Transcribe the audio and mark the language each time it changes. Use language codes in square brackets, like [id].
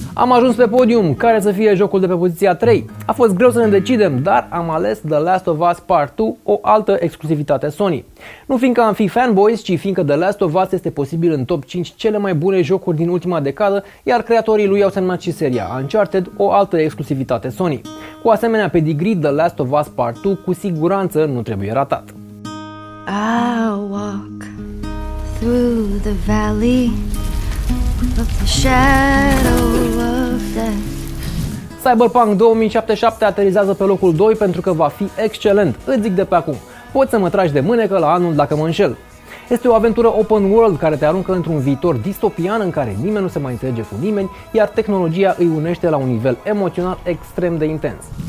[ro] Am ajuns pe podium, care să fie jocul de pe poziția 3? A fost greu să ne decidem, dar am ales The Last of Us Part 2, o altă exclusivitate Sony. Nu fiindcă am fi fanboys, ci fiindcă The Last of Us este posibil în top 5 cele mai bune jocuri din ultima decadă, iar creatorii lui au semnat și seria Uncharted, o altă exclusivitate Sony. Cu asemenea pedigree, The Last of Us Part 2 cu siguranță nu trebuie ratat. [en] I'll walk through the valley of the shadow of death. [ro] Cyberpunk 2077 aterizează pe locul 2 pentru că va fi excelent, îți zic de pe acum. Poți să mă tragi de mânecă la anul dacă mă înșel. Este o aventură open world care te aruncă într-un viitor distopian în care nimeni nu se mai înțelege cu nimeni, iar tehnologia îi unește la un nivel emoțional extrem de intens.